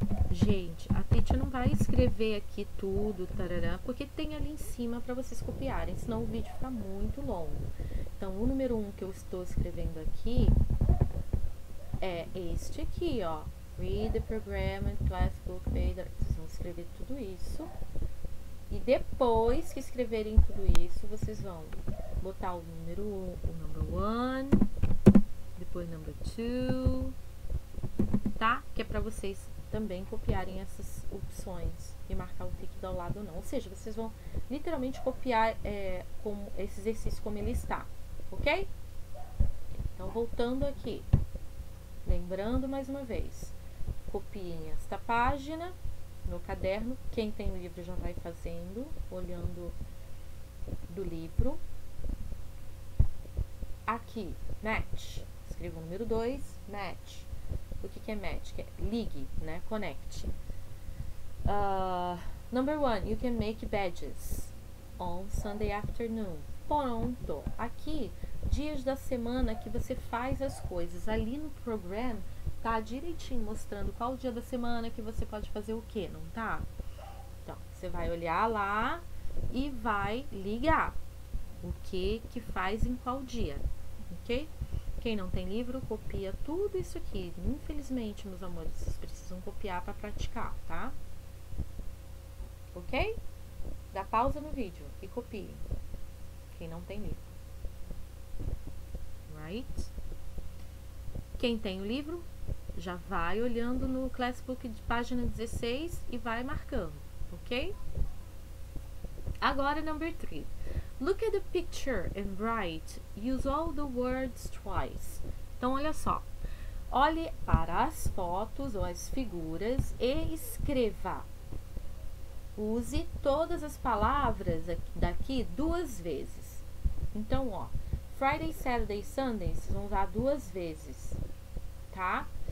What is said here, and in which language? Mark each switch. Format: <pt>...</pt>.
<pt>Gente, a Tietchan não vai escrever aqui tudo, tarará, porque tem ali em cima para vocês copiarem, senão o vídeo fica muito longo. Então, o número 1 que eu estou escrevendo aqui é este aqui, ó.</pt> <en>Read the program and class book.</en> <pt>Vocês vão escrever tudo isso. E depois que escreverem tudo isso, vocês vão botar o número 1, o number 1, depois number 2, tá? Que é para vocês também copiarem essas opções e marcar o tick do lado ou não. Ou seja, vocês vão literalmente copiar como esse exercício como ele está, ok? Então, voltando aqui, lembrando mais uma vez, copiem esta página no caderno. Quem tem o livro já vai fazendo, olhando do livro. Aqui, match. Escrevo o número 2, match. O que é match? Que é ligue, né? Connect.</pt> <en>Number one, you can make badges on Sunday afternoon.</en> <pt>Pronto. Aqui, dias da semana que você faz as coisas. Ali no program, tá direitinho mostrando qual dia da semana que você pode fazer o quê, não tá? Então, você vai olhar lá e vai ligar o que que faz em qual dia, ok? Quem não tem livro, copia tudo isso aqui. Infelizmente, meus amores, vocês precisam copiar para praticar, tá? Ok? Dá pausa no vídeo e copie. Quem não tem livro.</pt> <en>Right?</en> <pt>Quem tem o livro, já vai olhando no Classbook de página 16 e vai marcando, ok? Agora, number 3.</pt> <en>Look at the picture and write. Use all the words twice.</en> <pt>Então, olha só. Olhe para as fotos ou as figuras e escreva. Use todas as palavras daqui duas vezes. Então, ó. Friday, Saturday, Sunday, vocês vão usar duas vezes. Tá?</pt>